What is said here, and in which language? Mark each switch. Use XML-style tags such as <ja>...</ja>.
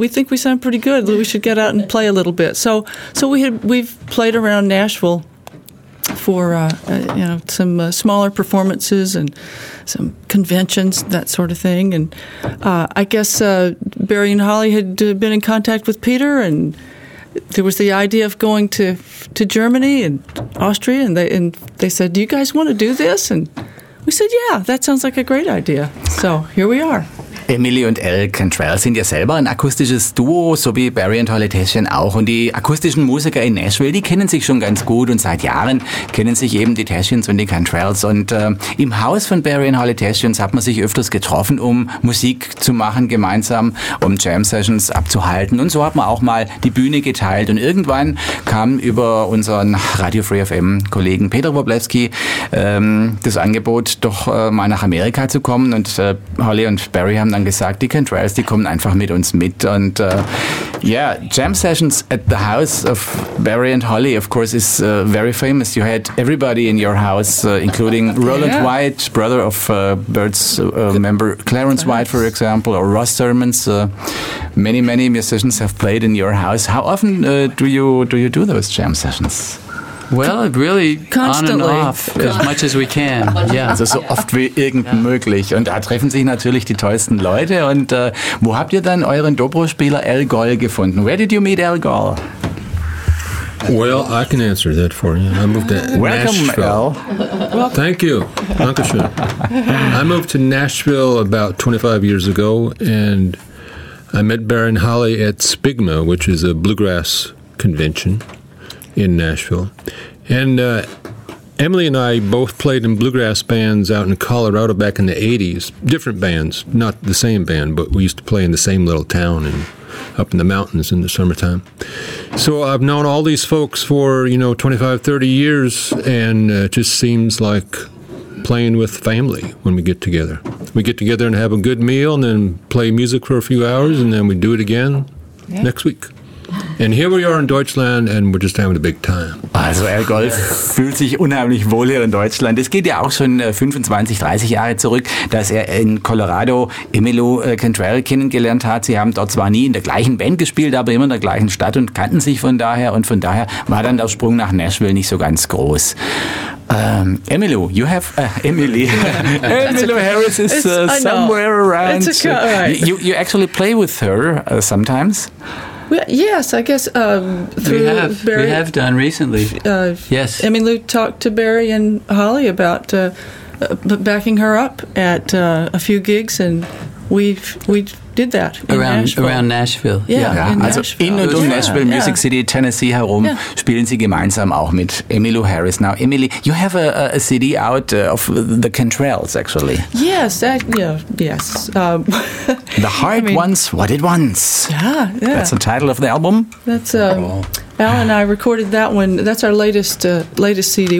<en>We think we sound pretty good. We should get out and play a little bit. So we've played around Nashville for some smaller performances and some conventions, that sort of thing. And I guess Barry and Holly had been in contact with Peter, and there was the idea of going to Germany and Austria, and they said, "Do you guys want to do this?" And we said, "Yeah, that sounds like a great idea." So here we are.</en> <de>Emily und Elle Cantrell sind ja selber ein akustisches Duo, so wie Barry und Holly Tashian auch. Und die akustischen Musiker in Nashville, die kennen sich schon ganz gut und seit Jahren kennen sich eben die Tashians und die Cantrells. Und im Haus von Barry und Holly Tashians hat man sich öfters getroffen, um Musik zu machen gemeinsam, um Jam-Sessions abzuhalten. Und so hat man auch mal die Bühne geteilt. Und irgendwann kam über unseren Radio Free FM-Kollegen Peter Woblewski das Angebot, doch mal nach Amerika zu kommen. Und Holly und Barry haben dann gesagt, die Cantrells, die kommen einfach mit uns mit.</de> <en>Und Jam Sessions at the house of Barry and Holly, of course, is very famous. You had everybody in your house, including Roland White, brother of Bird's member Clarence White, for example, or Ross Sermons. Many, many musicians have played in your house. How often do you do those jam sessions? Well, really, constantly. On and off, as much as we can. Yeah.</en> <de>Also so oft wie irgend möglich. Und da treffen sich natürlich die tollsten Leute. Und wo habt ihr dann euren Dobro-Spieler Elle Gall gefunden?</de> <en>Where did you meet Elle Gall? Well, I can answer that for you. I moved to Nashville. Thank you.</en> <de>Dankeschön.</de> <en>I moved to Nashville about 25 years ago, and I met Baron Holly at Spigma, which is a bluegrass convention in Nashville. And Emily and I both played in bluegrass bands out in Colorado back in the 80s. Different bands, not the same band, but we used to play in the same little town and up in the mountains in the summertime. So I've known all these folks for, 25, 30 years, and it just seems like playing with family when we get together. We get together and have a good meal and then play music for a few hours, and then we do it again next week. And here we are in Deutschland and we're just having a big time.</en> <de>Also Al Golf fühlt sich unheimlich wohl hier in Deutschland. Es geht ja auch schon 25, 30 Jahre zurück, dass er in Colorado Emilio Cantrell kennengelernt hat. Sie haben dort zwar nie in der gleichen Band gespielt, aber immer in der gleichen Stadt und kannten sich von daher. Und von daher war dann der Sprung nach Nashville nicht so ganz groß.</de> <en>Emilio, you have Emily. Emilio Harris is somewhere around. It's okay. You actually play with her sometimes. Yes, I guess through Barry. We have done recently. Yes, Emilio talked to Barry and Holly about backing her up at a few gigs, and we did that around Nashville. Nashville</en> <de>Music City, Tennessee herum, spielen sie gemeinsam auch mit Emilio Harris.</de> <en>Now, Emily, you have a CD out of the Cantrells, actually. Yes, yes. The Heart Wants What It Wants. Yeah. That's the title of the album. That's Al and I recorded that one. That's our latest CD.</en>